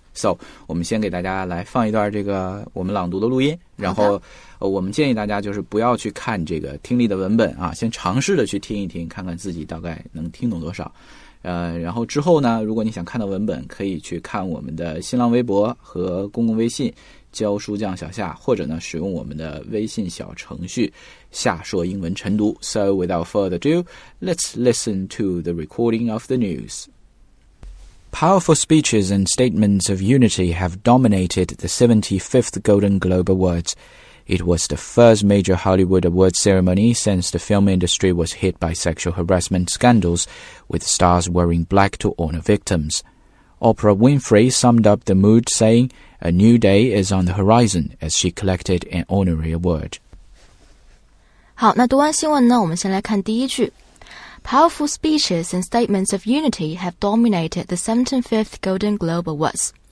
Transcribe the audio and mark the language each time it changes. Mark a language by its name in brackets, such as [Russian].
[Chinese] So 我们先给大家来放一段这个我们朗读的录音，然后我们建议大家就是不要去看这个听力的文本啊，先尝试的去听一听，看看自己大概能听懂多少。然后之后呢，如果你想看到文本，可以去看我们的新浪微博和公共微信教书匠小夏，或者呢使用我们的微信小程序下说英文晨读。 [English] So without further ado, let's listen to the recording of the news. Powerful speeches and statements of unity have dominated the 75th Golden Globe Awards. It was the first major Hollywood awards ceremony since the film industry was hit by sexual harassment scandals, with stars wearing black to honor victims. Oprah Winfrey summed up the mood, saying, "A new day is on the horizon," as she collected an honorary award. [Chinese] 好，那读完新闻呢，我们先来看第一句。 [English] Powerful speeches and statements of unity have dominated the 75th Golden Globe Awards.